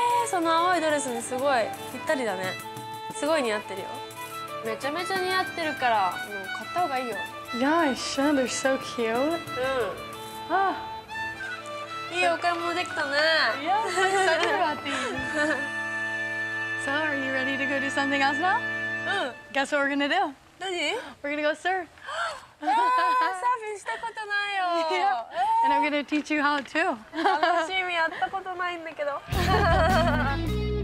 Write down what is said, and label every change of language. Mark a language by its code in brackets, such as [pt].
[ja] その青いドレスにすごいぴったりだね。すごい似合ってるよ。めちゃめちゃ似合ってるから、もう買った方がいいよ。 [en] Yeah, I should. They're so cute. [ja] うん。いいお買い物できたね。 [en] Yeah, I'm excited about these. So, are you ready to go do something else now? Guess what we're gonna do? [ja] 何？ [en] We're gonna go surf. [ja] サーフィンしたことないよ。 [en] Yeah. And I'm gonna teach you how too. [ja] 楽しみ、やったことないんだけど。